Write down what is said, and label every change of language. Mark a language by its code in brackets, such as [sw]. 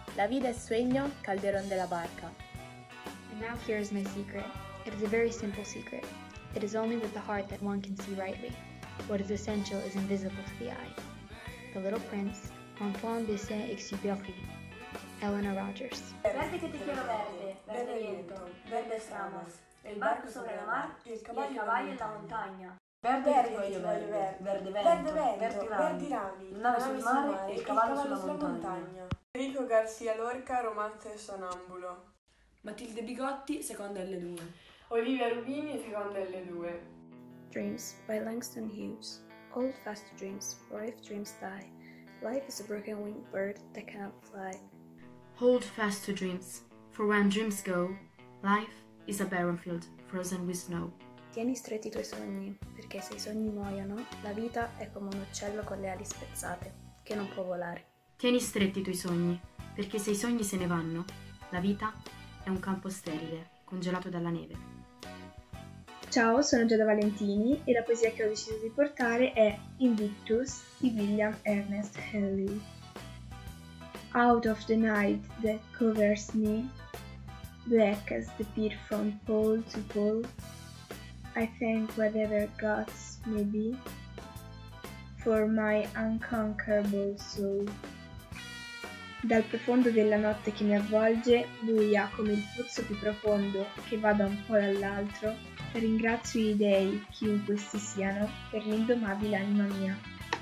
[es] La vida es sueño, calderón de la barca. [en] And now here is my secret. It is a very simple secret. It is only with the heart that one can see rightly. What is essential is invisible to the eye. The Little Prince, Antoine de Saint-Exupéry, Eleanor Rogers. [es] Verde que te quiero verde, verde viento, verde estamos. El barco sobre la mar, el caballo en la montaña. [it] Verde che ti voglio verde, verde vento, verde rami, verdi rami, nave sul mare e il cavallo sulla montagna. Enrico Garcia Lorca, romanzo e sonnambulo. Matilde Bigotti, seconda L2. Olivia Rubini, seconda L2. [en] Dreams by Langston Hughes. Old fast dreams, for if dreams die, life is a broken winged bird that cannot fly. Hold fast to dreams, for when dreams go, life is a barren field frozen with snow. [it] Tieni stretti i tuoi sogni, perché se i sogni muoiono, la vita è come un uccello con le ali spezzate, che non può volare. Tieni stretti i tuoi sogni, perché se i sogni se ne vanno, la vita è un campo sterile, congelato dalla neve. Ciao, sono Giada Valentini e la poesia che ho deciso di portare è Invictus di William Ernest Henley. [en] Out of the night that covers me, black as the pit from pole to pole, I thank whatever gods may be for my unconquerable soul. [it] Dal profondo della notte che mi avvolge, buia come il pozzo più profondo che va da un polo all'altro, ringrazio i dei, chiunque questi siano, per l'indomabile anima mia.